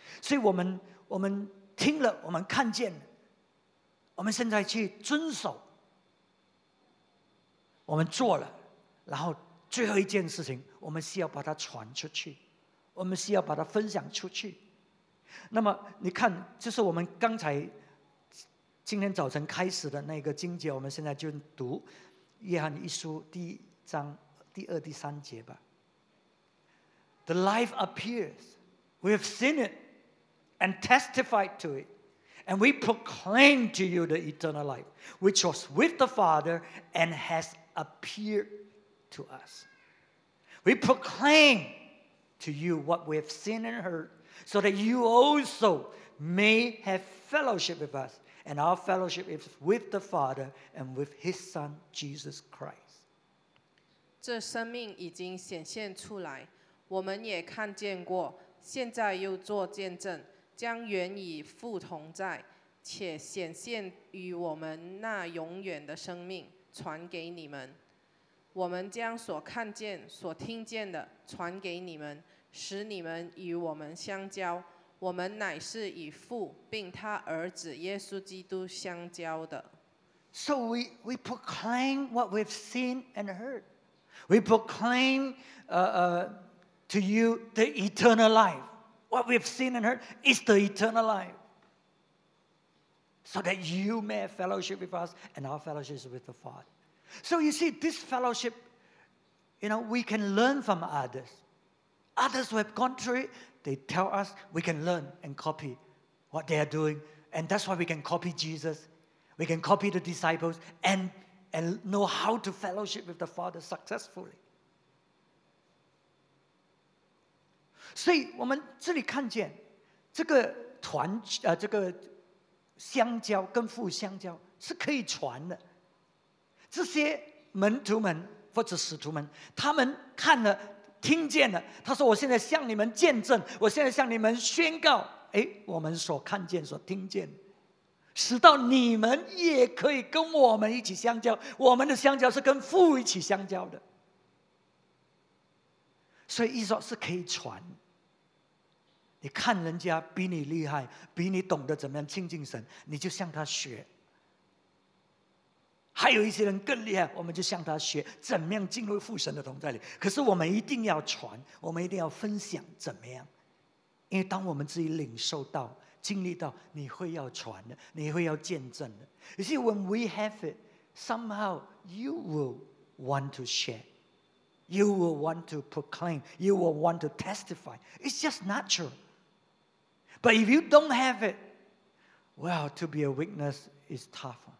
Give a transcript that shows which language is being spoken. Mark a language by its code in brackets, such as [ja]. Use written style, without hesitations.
[zh] 所以我们听了，我们看见，我们现在去遵守，我们做了，然后最后一件事情，我们是要把它传出去，我们是要把它分享出去。那么你看，就是我们刚才今天早晨开始的那个经节，我们现在就读约翰一书第一章第二第三节吧。 [en] The life appears, we have seen it and testified to it, and we proclaim to you the eternal life which was with the Father and has appeared to us. We proclaim to you what we have seen and heard, so that you also may have fellowship with us, and our fellowship is with the Father and with His Son, Jesus Christ. [zh] 这生命已经显现出来，我们也看见过，现在又做见证，将原以父同在，且显现与我们那永远的生命传给你们。我们将所看见、所听见的传给你们，使你们与我们相交。我们乃是以父并他儿子耶稣基督相交的。 [en] So we proclaim what we've seen and heard. We proclaim to you the eternal life. What we've seen and heard is the eternal life, so that you may have fellowship with us, and our fellowship is with the Father. So you see, this fellowship, you know, we can learn from others. Others who have gone through it, they tell us, we can learn and copy what they are doing. And that's why we can copy Jesus. We can copy the disciples and know how to fellowship with the Father successfully. [zh] 所以我们这里看见这个团、这个相交跟父相交是可以传的。这些门徒们或者使徒们，他们看了听见了，他说我现在向你们见证，我现在向你们宣告，哎，我们所看见所听见，使到你们也可以跟我们一起相交，我们的相交是跟父一起相交的。所以意思说是可以传，你看人家比你厉害，比你懂得怎么样亲近神，你就向他学，还有一些人更厉害，我们就向他学怎么样进入父神的同在里。可是我们一定要传，我们一定要分享，怎么样？因为当我们自己领受到、经历到，你会要传的，你会要见证的。 [en] You see, when we have it, somehow you will want to share. You will want to proclaim. You will want to testify. It's just natural. But if you don't have it, well, to be a witness is tougher.